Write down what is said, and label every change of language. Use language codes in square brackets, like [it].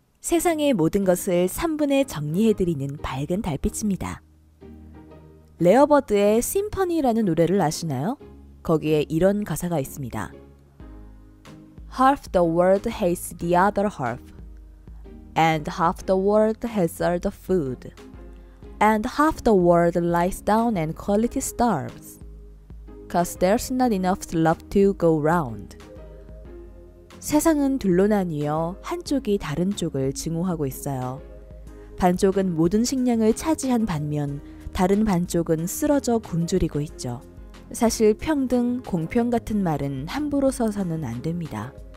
[ko] 세상의 모든 것을 3분에 정리해드리는 밝은 달빛입니다. 레어버드의 심포니라는 노래를 아시나요? 거기에 이런 가사가 있습니다. [en] Half the world hates the other half. And half the world has all the food. And half the world lies down and quality starves. Cause there's not enough love to go round. [ko] 세상은 둘로 나뉘어 한쪽이 다른 쪽을 증오하고 있어요. 반쪽은 모든 식량을 차지한 반면 다른 반쪽은 쓰러져 굶주리고 있죠. 사실 평등, 공평 같은 말은 함부로 써서는 안 됩니다.